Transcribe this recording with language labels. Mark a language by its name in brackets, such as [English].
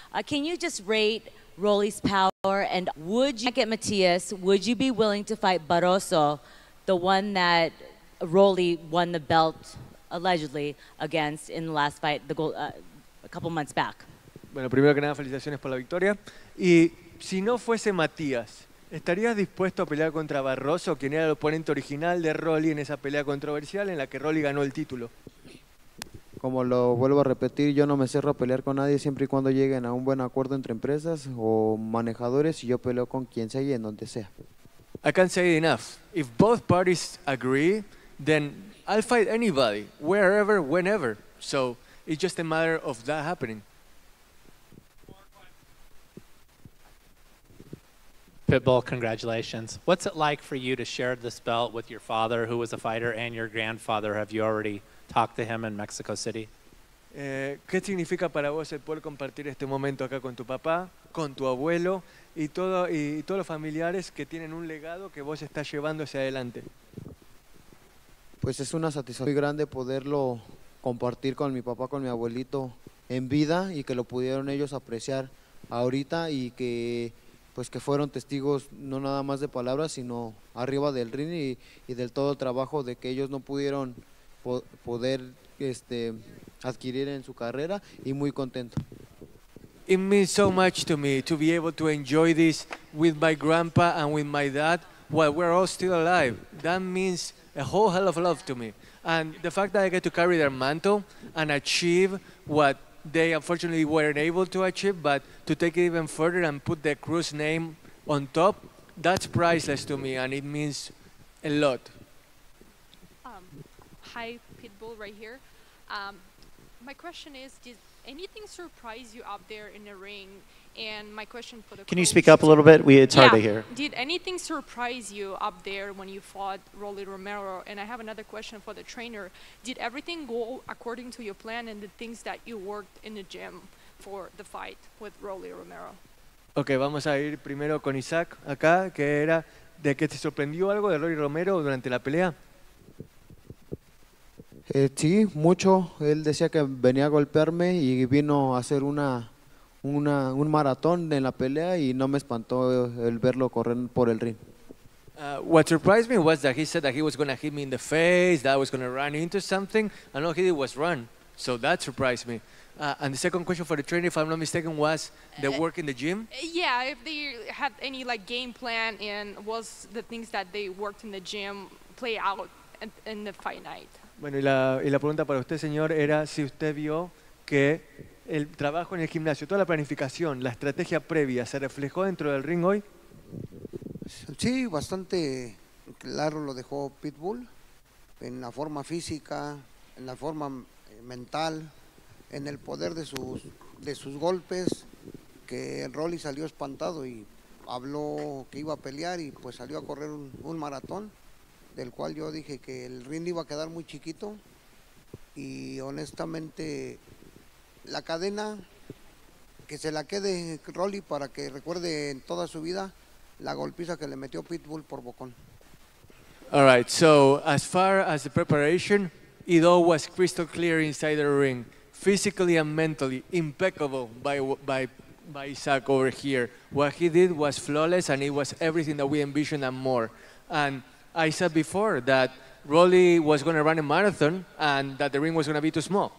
[English] Can you just rate Rolly's power, and would you get Matias? Would you be willing to fight Barroso, the one that Rolly won the belt allegedly against in the last fight, the gold, a couple months back? [Spanish] Bueno, primero que nada, felicitaciones por la victoria. Y si no fuese Matías, ¿estarías dispuesto a pelear contra Barroso, quien era el oponente original de Rolly en esa pelea controversial en la que Rolly ganó el título? Como lo vuelvo a repetir, yo no me cierro a pelear con nadie siempre y cuando lleguen a un buen acuerdo entre empresas o manejadores, y yo peleo con quien sea y en donde sea. [English] I can't say it enough. If both parties agree, then I'll fight anybody, wherever, whenever. So it's just a matter of that happening. Pitbull, congratulations. What's it like for you to share this belt with your father, who was a fighter, and your grandfather? Have you already talked to him in Mexico City? [Spanish] ¿Qué significa para vos el poder compartir este momento acá con tu papá, con tu abuelo, y todos los familiares que tienen un legado que vos estás llevando hacia adelante? Pues es una satisfacción muy grande poderlo compartir con mi papá, con mi abuelito en vida, y que lo pudieron ellos apreciar ahorita, y que pues que fueron testigos no nada más de palabras, sino arriba del ring y del todo el trabajo de que ellos no pudieron poder adquirir en su carrera, y muy contento. [English] It means so much to me to be able to enjoy this with my grandpa and with my dad while we're all still alive. That means a whole hell of a lot to me. And the fact that I get to carry their mantle and achieve what they unfortunately weren't able to achieve, but to take it even further and put the Cruz name on top, that's priceless to me, and it means a lot. Hi, Pitbull right here. My question is, did anything surprise you up there in the ring? And my question for the coach. Can you speak up a little bit? It's hard to hear. Did anything surprise you up there when you fought Rolly Romero? And I have another question for the trainer. Did everything go according to your plan and the things that you worked in the gym for the fight with Rolly Romero? [Spanish] Okay, vamos a ir primero con Isaac acá, que era de que te sorprendió algo de Rolly Romero durante la pelea. Sí, mucho. Él decía que venía a golpearme y vino a hacer un maratón en la pelea, y no me espantó el verlo correr por el ring. [English] What surprised me was that he said that he was going to hit me in the face, that I was going to run into something, and all he did was run. So that surprised me. And the second question for the trainer, if I'm not mistaken, was the work in the gym? Yeah, if they had any like game plan, and was the things that they worked in the gym play out in the fight night? [Spanish] Bueno, y la pregunta para usted, señor, era si usted vio que el trabajo en el gimnasio, toda la planificación, la estrategia previa, ¿se reflejó dentro del ring hoy? Sí, bastante claro lo dejó Pitbull, en la forma física, en la forma mental, en el poder de sus golpes, que Rolly salió espantado y habló que iba a pelear y pues salió a correr un maratón, del cual yo dije que el ring iba a quedar muy chiquito, y honestamente la cadena que se la quede Rolly para que recuerde en toda su vida la golpiza que le metió Pitbull por bocón. [English] All right, so as far as the preparation, it all was crystal clear inside the ring, physically and mentally impeccable by Isaac over here. What he did was flawless, and it was everything that we envisioned and more. And I said before that Rolly was going to run a marathon and that the ring was going to be too small.